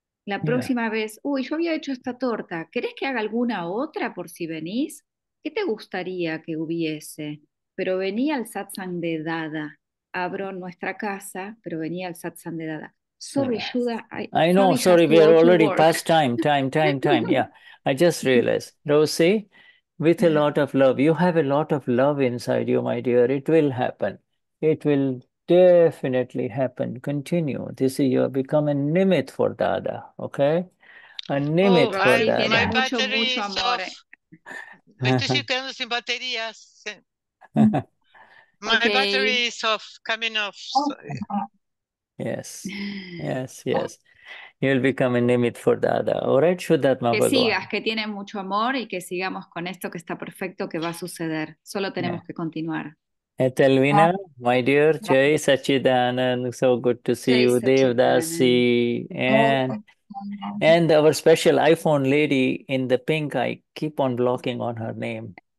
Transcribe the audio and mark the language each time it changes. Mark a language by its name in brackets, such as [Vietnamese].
[Spanish] La próxima vez, uy, yo había hecho esta torta, ¿querés que haga alguna otra por si venís? ¿Qué te gustaría que hubiese? Pero venía al satsang de Dada. Abro nuestra casa, pero venía al satsang de Dada. [English] Sorry, Shuddha. I know, sorry, we are already past time. Yeah, I just realized. Rosie, with a lot of love, you have a lot of love inside you, my dear. It will happen. It will definitely happen. Continue. This is, you have become a nimit for Dada, okay? A nimit for Dada. Oh, my battery is off. [Spanish] Me estoy quedando sin baterías. [English] My battery is off, coming off. Sorry. Yes. You'll become a nimit for Dada. All right, Shuddhatma Bhagavan. [Spanish] Que sigas, que tienes mucho amor y que sigamos con esto que está perfecto, que va a suceder. Solo tenemos que continuar. [English] Etelvina, my dear, Jai Sachidanand, so good to see you, Devdasi, and our special iPhone lady in the pink, I keep on blocking on her name.